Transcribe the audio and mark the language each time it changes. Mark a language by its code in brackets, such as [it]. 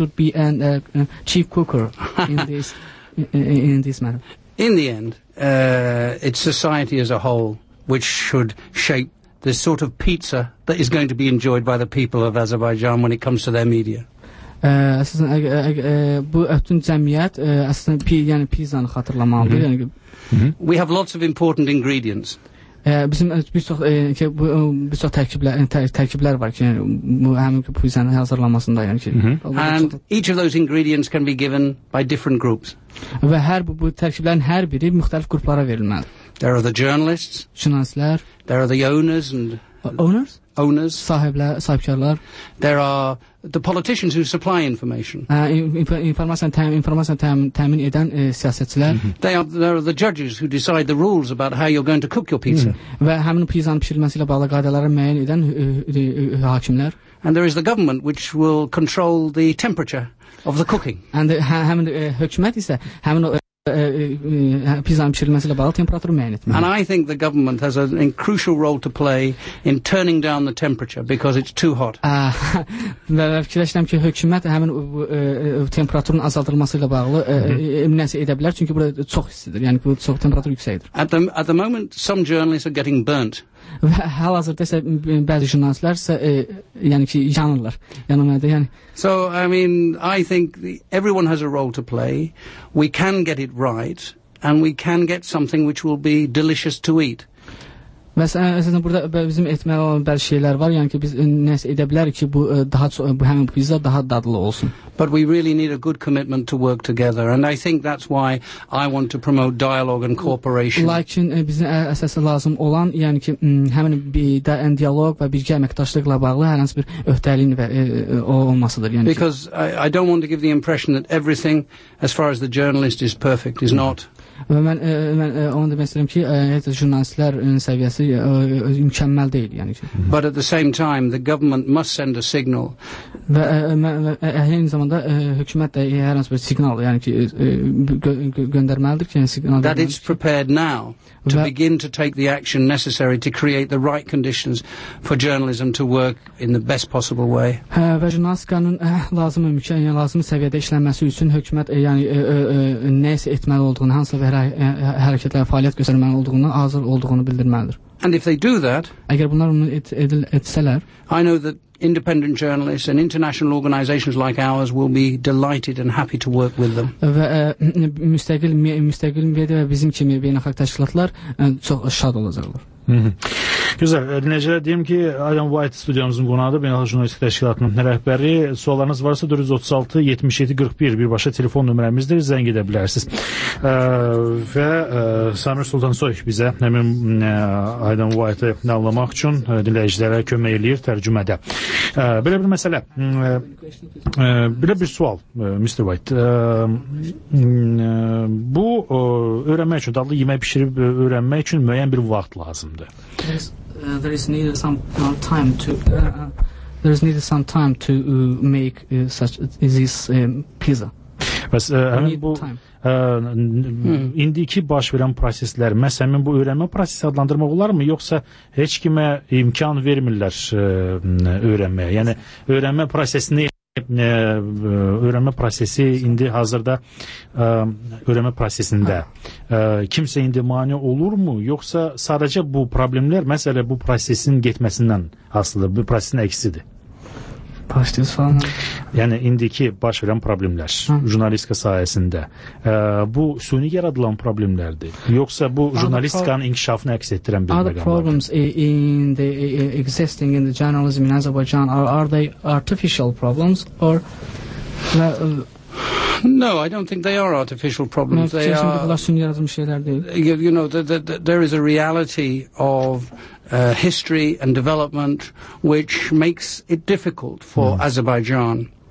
[en] who should be a chief cooker in this matter? In the end, it's society as a whole which should shape the sort of pizza that is going to be enjoyed by the people of Azerbaijan when it comes to their media. [az] Əsasən bu bütün cəmiyyət əslində yəni pizzanı xatırlamalıdır. Mm-hmm. Yəni, mm-hmm. [en] We have lots of important ingredients. [az] Bizim bir çox tərkiblər var ki, bu həmin pizzanın hazırlanmasında yəni ki. [en] And each of those ingredients can be given by different groups. [az] Və hər bu tərkiblərin hər biri müxtəlif qruplara verilməlidir. [en] There are the journalists. [az] Jurnalistlər. [en] There are the owners and owners? Owners. [az] Sahibkarlar. [en] There are the politicians who supply information. [az] Təmin edən siyasətçilər. [en] There are the judges who decide the rules about how you're going to cook your pizza. [az] Və həmin pizzanın bişirilməsi ilə bağlı qaydaları müəyyən edən hakimlər. [en] And there is the government which will control the temperature of the cooking. And [az] həmin hökumət isə həmin pizzanın bişirilməsi ilə bağlı temperaturu müəyyən etməlidir. [en] And I think the government has a crucial role to play in turning down the temperature because it's too hot. [az] Fikirləşirəm ki, hökumət həmin temperaturun azaldılması ilə bağlı nəsə edə bilər, çünki burada çox istidir, yəni çox temperatur yüksəkdir. [en] At the moment, some journalists are getting burnt. [az] Və hal-hazırda isə bəzi jurnalistlər isə yəni ki, yanırlar. Yanırlar, yəni. [en] So, I mean, I think everyone has a role to play. We can get it right and we can get something which will be delicious to eat. [az] Məsələn, burada bizim etməli olan bəzi şeylər var, yəni ki, biz nəsə edə bilərik ki, bu həmin pizza daha dadlı olsun. [en] But we really need a good commitment to work together, and I think that's why I want to promote dialogue and cooperation. [az] Lakin bizim əsası lazım olan, yəni ki, həmin bir dialog və birgə əməkdaşlıqla bağlı hər hansı bir öhdəliyin olmasıdır. Yəni [en] because I don't want to give the impression that everything, as far as the journalist is perfect, is not. [az] Və mən onu demək istəyirəm ki, heç jurnalistlər səviyyəsi mükəmməl deyil, yəni ki. [en] But at the same time, the government must send a signal. [az] Və eyni zamanda hökumət də hər hansı bir signal, yəni ki, göndərməlidir ki, signal [en] that it's prepared now to begin to take the action necessary to create the right conditions for journalism to work in the best possible way. [az] Və jurnalistikanın lazım imkan, yəni lazım səviyyədə işlənməsi üçün hökumət yəni nəsə etməli olduğunu, hansısa bir hərəkətlərə fəaliyyət göstərməli olduğunu, hazır olduğunu bildirməlidir. [en] And if they do that, [az] əgər bunlar bunu etsələr, [en] I know that independent journalists and international organizations like ours will be delighted and happy to work with them. [az] Və müstəqil media və bizim kimi beynəlxalq təşkilatlar çox şad olacaqlar. Gözəl, dinləyicilər, deyim ki, Adam White studiyamızın qonağıdır, Beynəlxalq Jurnalistik Təşkilatının rəhbəri. Suallarınız varsa 436-7741 birbaşa telefon nömrəmizdir, zəng edə bilərsiniz. Və Samir Sultansoy bizə həmin Adam White-ı nəllamaq üçün dinləyicilərə kömək eləyir tərcümədə. Belə bir məsələ, belə bir sual, Mr. White. Bu, öyrənmək üçün, dadlı yemək pişirib öyrənmək üçün müəyyən bir vaxt lazımdır. [en] There is needed some time to make such this pizza. [az] Bəs indiki baş verən proseslər, məhz həmin bu öyrənmə prosesi adlandırmaq olarmı, yoxsa heç kimə imkan vermirlər öyrənməyə? Yəni, öyrənmə prosesini... öyrənmə prosesi indi hazırda öyrənmə prosesində kimsə indi mane olur mu, yoxsa sadəcə bu problemlər məsələ bu prosesin getməsindən asılıdır, bu prosesin əksidir? Başlayız falan. Yəni indiki baş verən problemlər jurnalistika sahəsində bu süni yaradılan problemlərdir, yoxsa bu jurnalistikanın inkişafını əks etdirən bir məqamlardır? [en] Other problems in the existing in the journalism in Azerbaijan are they artificial problems or No, I don't think they are artificial problems. They are, you know, there is a reality of history and development which makes it difficult for Azerbaijan.